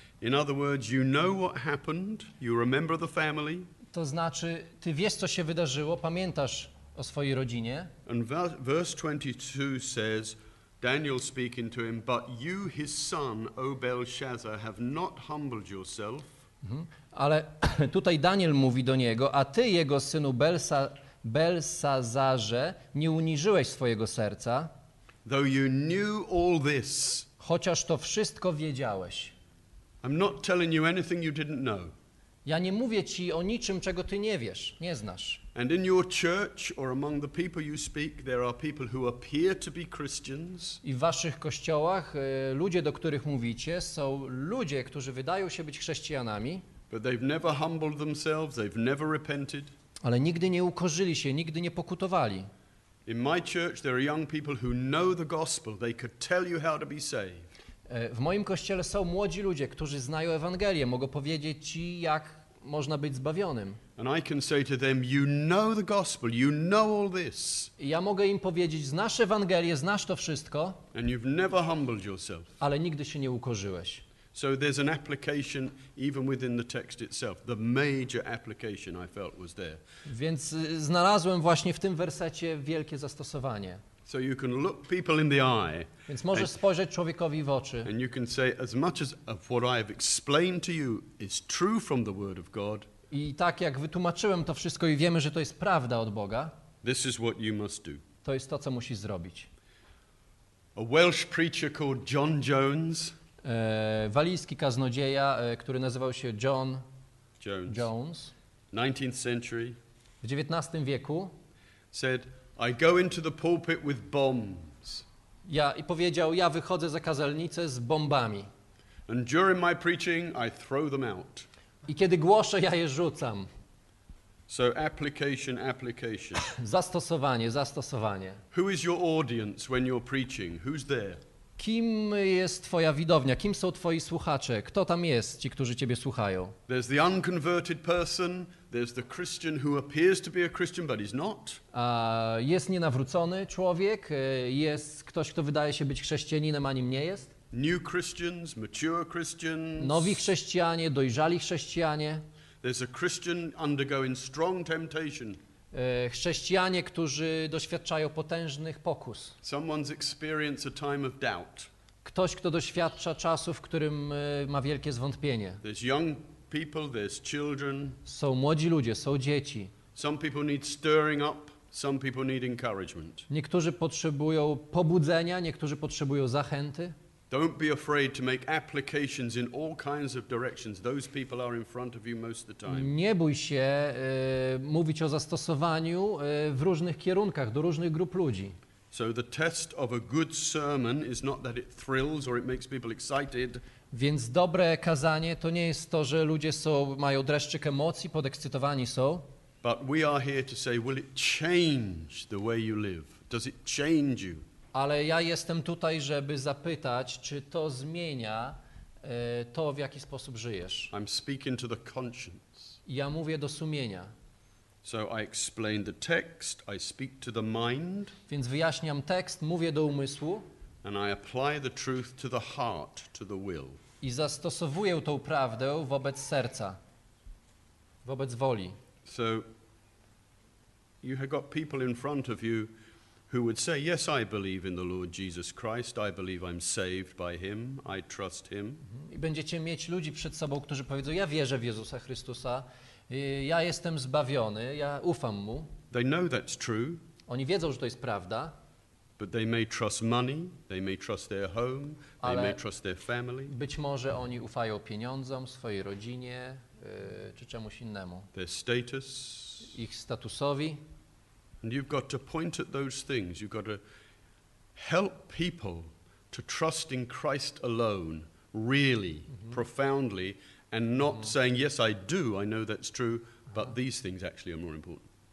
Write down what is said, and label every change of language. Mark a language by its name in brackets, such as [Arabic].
[English] In other words, you know what happened. You remember the family. [Polish] To znaczy, ty wiesz, co się wydarzyło, pamiętasz o swojej rodzinie. [English] And verse 22 says, Daniel speaking to him, but you, his son, O Belshazzar, have not humbled yourself. [Polish] Ale tutaj Daniel mówi do niego, a ty, jego synu Belsazarze, nie uniżyłeś swojego serca, [English] though you knew all this, [Polish] chociaż to wszystko wiedziałeś. [English] I'm not telling you anything you didn't know. [Polish] Ja nie mówię ci o niczym, czego ty nie wiesz, nie znasz. [English] And in your church or among the people you speak, there are people who appear to be Christians. [Polish] I w waszych kościołach ludzie, do których mówicie, są ludzie, którzy wydają się być chrześcijanami. [English] But they've never humbled themselves, they've never repented. [Polish] Ale nigdy nie ukorzyli się, nigdy nie pokutowali. [English] In my church there are young people who know the gospel, they could tell you how to be saved. [Polish] W moim kościele są młodzi ludzie, którzy znają Ewangelię, mogą powiedzieć ci, jak można być zbawionym. [English] And I can say to them, you know the gospel, you know all this. [Polish] I ja mogę im powiedzieć, znasz Ewangelię, znasz to wszystko. [English] And you've never humbled yourself. [Polish] Ale nigdy się nie ukorzyłeś. [English] So there's an application even within the text itself. The major application I felt was there. [Polish] Więc znalazłem właśnie w tym wersecie wielkie zastosowanie. [English] So you can look people in the eye. [Polish] Więc możesz spojrzeć człowiekowi w oczy. [English] And you can say as much as of what I have explained to you is true from the word of God. [Polish] I tak jak wytłumaczyłem to wszystko i wiemy, że to jest prawda od Boga. [English] This is what you must do. [Polish] To jest to, co musisz zrobić. [English] A Welsh preacher called John Jones. [Polish] Walijski kaznodzieja, który nazywał się John Jones. Jones. [English] 19th century. [Polish] W XIX wieku. [English] Said I go into the pulpit with bombs. [Polish] Ja i powiedział, ja wychodzę za kazalnicę z bombami. [English] And during my preaching, I throw them out. [Polish] I kiedy głoszę, ja je rzucam. [English] So application, application. [Polish] Zastosowanie, zastosowanie. [English] Who is your audience when you're preaching? Who's there? [Polish] Kim jest twoja widownia? Kim są twoi słuchacze? Kto tam jest, ci, którzy ciebie słuchają? [English] There's the unconverted person, there's the Christian who appears to be a Christian, but he's not. [Polish] Jest nienawrócony człowiek, jest ktoś, kto wydaje się być chrześcijaninem, a nim nie jest. [English] New Christians, mature Christians. [Polish] Nowi chrześcijanie, dojrzali chrześcijanie. [English] There's a Christian undergoing strong temptation. [Polish] Chrześcijanie, którzy doświadczają potężnych pokus. [English] Someone's experienced a time of doubt. [Polish] Ktoś, kto doświadcza czasu, w którym ma wielkie zwątpienie. [English] There's young people, there's children. [Polish] Są młodzi ludzie, są dzieci. [English] Some people need stirring up, some people need encouragement. [Polish] Niektórzy potrzebują pobudzenia, niektórzy potrzebują zachęty. [English] Don't be afraid to make applications in all kinds of directions. Those people are in front of you most of the time. [Polish] Nie bój się mówić o zastosowaniu w różnych kierunkach, do różnych grup ludzi. [English] So the test of a good sermon is not that it thrills or it makes people excited. [Polish] Więc dobre kazanie to nie jest to, że ludzie są, mają dreszczyk emocji, podekscytowani są. [English] But we are here to say, will it change the way you live? Does it change you? [Polish] Ale ja jestem tutaj, żeby zapytać, czy to zmienia to, w jaki sposób żyjesz. [English] I'm speaking to the conscience. [Polish] Ja mówię do sumienia. [English] So I explain the text, I speak to the mind. [Polish] Więc wyjaśniam tekst, mówię do umysłu. [English] And I apply the truth to the heart, to the will. [Polish] I zastosowuję tą prawdę wobec serca, wobec woli. [English] So you have got people in front of you who would say, yes, I believe in the Lord Jesus Christ, I believe I'm saved by him, I trust him. [Polish] I będziecie mieć ludzi przed sobą, którzy powiedzą, ja wierzę w Jezusa Chrystusa, ja jestem zbawiony, ja ufam mu. [English] They know that's true. [Polish] Oni wiedzą, że to jest prawda. [English] But they may trust money, they may trust their home, they may trust their family. [Polish] Być może oni ufają pieniądzom, swojej rodzinie, czy czemuś innemu. [English] Their status. [Polish] Ich statusowi. [English] And you've got to point at those things. You've got to help people to trust in Christ alone, really, profoundly, and not saying, yes, I do, I know that's true, but these things actually are more important.